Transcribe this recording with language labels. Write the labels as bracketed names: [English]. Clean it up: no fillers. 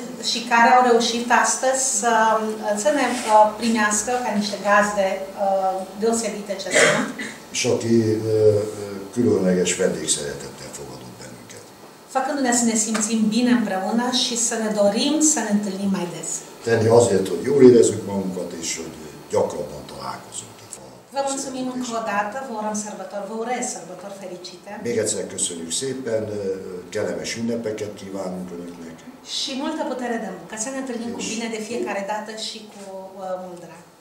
[Romanian] Și care au reușit astăzi să ne primească ca niște gazde deosebite ce sunt. [Hungarian] Și aki különleges vendégszeretettel fogadott bennünket. [Romanian] Făcându-ne să ne simțim bine împreună și să ne dorim să ne întâlnim mai des. [Hungarian] Tenni azért, hogy jól érezzük magunkat és hogy gyakrabban találkozunk. [Romanian] Vă mulțumim încă o dată, vă urăm sărbători, vă urez sărbători fericite. [Hungarian] Még egyszer köszönjük szépen, kellemes ünnepeket kívánunk önöknek. [Romanian] Și multă putere de muncă, să ne întâlnim cu bine de fiecare dată și cu mult drag.